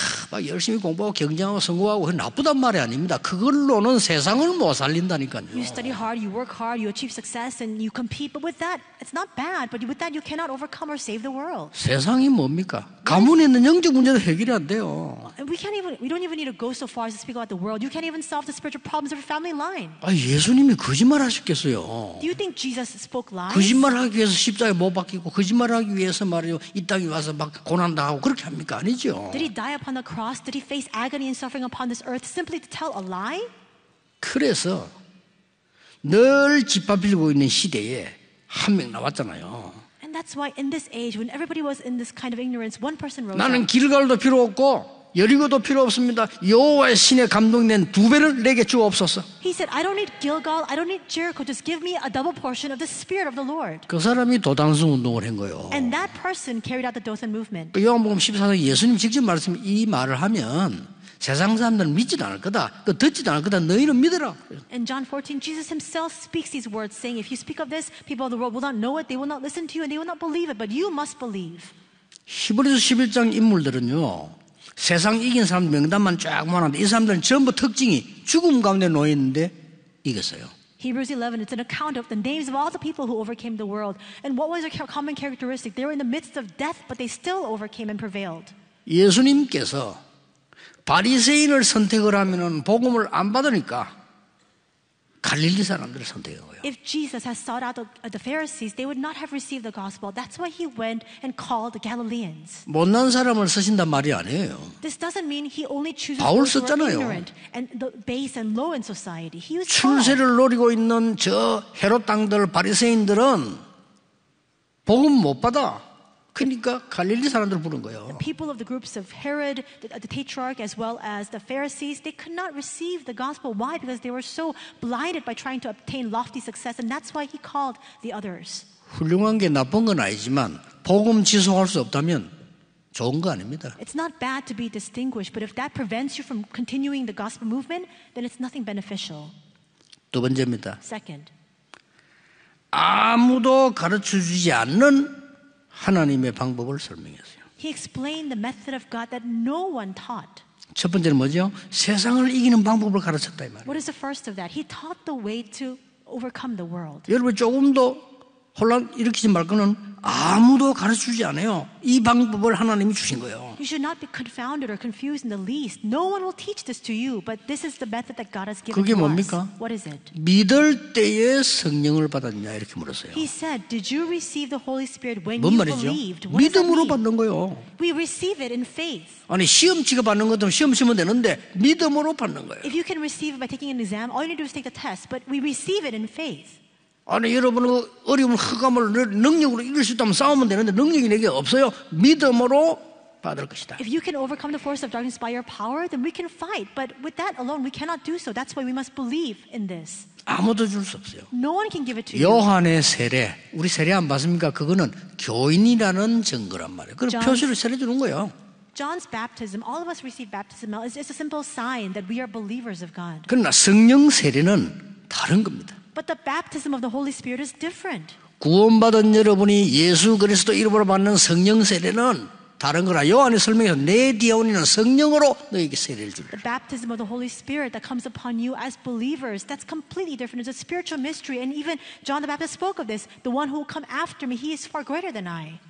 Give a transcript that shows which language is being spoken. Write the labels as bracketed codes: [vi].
[ko] 막 열심히 공부하고 경쟁하고 성공하고 그 나쁘단 말이 아닙니다. 그걸로는 세상을 못 살린다니까요. [en] You study hard, you work hard, you achieve success, and you compete. But with that, it's not bad. But with that, you cannot overcome or save the world. [ko] 세상이 뭡니까? 가문에 있는 영적 문제도 해결이 안 돼요. [en] We can't even. We don't even need to go so far as to speak about the world. You can't even solve the spiritual problems of your family line. [ko] 아, 예수님이 거짓말 하셨겠어요? [en] Do you think Jesus spoke lies? [ko] 거짓말하기 위해서 십자가에 못 박히고 거짓말하기 위해서 말이요 이 땅에 와서 막 고난 당하고 그렇게 합니까? 아니죠. [en] Did he die upon the cross? Did he face agony and suffering upon this earth simply to tell a lie? [ko] 그래서 늘 짓밟히고 있는 시대에 한 명 나왔잖아요. [en] And that's why in this age, when everybody was in this kind of ignorance, one person rose. [ko] 나는 길갈도 필요 없고. 여리고도 필요 없습니다. 여호와의 신에 감동된 두 배를 내게 주옵소서. [en] He said, I don't need Gilgal, I don't need Jericho. Just give me a double portion of the Spirit of the Lord. [ko] 그 사람이 도단수 운동을 한 거요. [en] And that person carried out the Dothan movement. [ko] 요한복음 14장 예수님 직접 말씀 이 말을 하면 세상 사람들은 믿지도 않을 거다. 그 듣지도 않을 거다. 너희는 믿으라. [en] And John 14, Jesus himself speaks these words, saying, If you speak of this, people of the world will not know it. They will not listen to you, and they will not believe it. But you must believe. [ko] 히브리서 11장 인물들은요. 세상 이긴 사람 명단만 쫙 모아놨는데 이 사람들은 전부 특징이 죽음 가운데 놓였는데 이겼어요. [en] Hebrews 11, it's an account of the names of all the people who overcame the world. And what was their common characteristic? They were in the midst of death, but they still overcame and prevailed. [ko] 예수님께서 바리새인을 선택을 하면은 복음을 안 받으니까 갈릴리 사람들을 선택하고요. [en] If Jesus had sought out the Pharisees, they would not have received the gospel. That's why he went and called the Galileans. [ko] 못난 사람을 쓰신단 말이 아니에요. [en] This doesn't mean he only chooses the poor and ignorant and the base and low in society. He was [ko] 출세를 노리고 있는 저 헤롯 땅들 바리새인들은 복음 못 받아. 그러니까 갈릴리 사람들을 부른 거예요. [en] The people of the groups of Herod, the Tetrarch, as well as the Pharisees, they could not receive the gospel. Why? Because they were so blinded by trying to obtain lofty success, and that's why he called the others. [ko] 훌륭한 게 나쁜 건 아니지만 복음 지속할 수 없다면 좋은 거 아닙니다. [en] It's not bad to be distinguished, but if that prevents you from continuing the gospel movement, then it's nothing beneficial. [ko] 두 번째입니다. [en] Second, [ko] 아무도 가르쳐 주지 않는 하나님의 방법을 설명했어요. [en] He explained the method of God that no one taught. [ko] 첫 번째는 뭐죠? 세상을 이기는 방법을 가르쳤다 이 말이에요. [en] What is the first of that? He taught the way to overcome the world. [ko] 여러분 조금도 혼란 일으키지 말 거는 아무도 가르쳐 주지 않아요. 이 방법을 하나님이 주신 거예요. [en] You should not be confounded or confused in the least. No one will teach this to you, but this is the method that God has given us. [ko] 그게 뭡니까? [en] What is it? [ko] 믿을 때에 성령을 받았냐 이렇게 물었어요. [en] He said, did you receive the Holy Spirit when you believed? [ko] 믿음으로 받는 거예요. [en] We receive it in faith. [ko] 아니 시험치가 받는 것도 시험치면 되는데 믿음으로 받는 거예요. [en] If you can receive it by taking an exam, all you need to do is take the test, but we receive it in faith. [ko] 아니 여러분 어려움을 허감을 능력으로 이길 수 있다면 싸우면 되는데 능력이 내게 없어요. 믿음으로 받을 것이다. [en] If you can overcome the force of darkness by your power, then we can fight. But with that alone, we cannot do so. That's why we must believe in this. [ko] 아무도 줄 수 없어요. [en] No one can give it to you. [ko] 요한의 세례, 우리 세례 안 받습니까? 그거는 교인이라는 증거란 말이에요. 그럼 표시를 세례 주는 거예요. [en] John's baptism, all of us receive baptism, is a simple sign that we are believers of God. [ko] 그러나 성령 세례는 다른 겁니다. [en] But the baptism of the Holy Spirit is different. [ko] 구원받은 여러분이 예수 그리스도 이름으로 받는 성령 세례는 다른 거라. 요한이 설명해서 내 디아오니는 성령으로 너에게 세례를 주리라. [en] The baptism of the Holy Spirit that comes upon you as believers, that's completely different. It's a spiritual mystery. And even John the Baptist spoke of this. The one who will come after me, he is far greater than I.